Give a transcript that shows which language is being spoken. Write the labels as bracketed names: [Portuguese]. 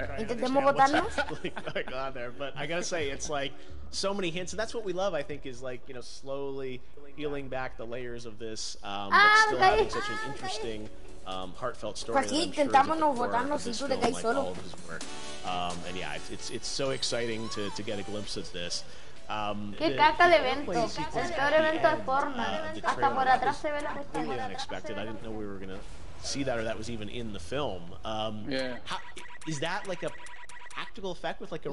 [English] To try and understand what's going on there. But I gotta say, it's like so many hints, and that's what we love. I think is like, you know, slowly peeling back the layers of this, but still having such an interesting, heartfelt story. And yeah, it's so exciting to get a glimpse of this. [Spanish] Qué caca de evento, el peor evento de forma. Hasta por atrás se ve la respuesta. [English] Completely unexpected. I didn't know we were gonna. See that, or that was even in the film. Yeah. Is that like a practical effect with like a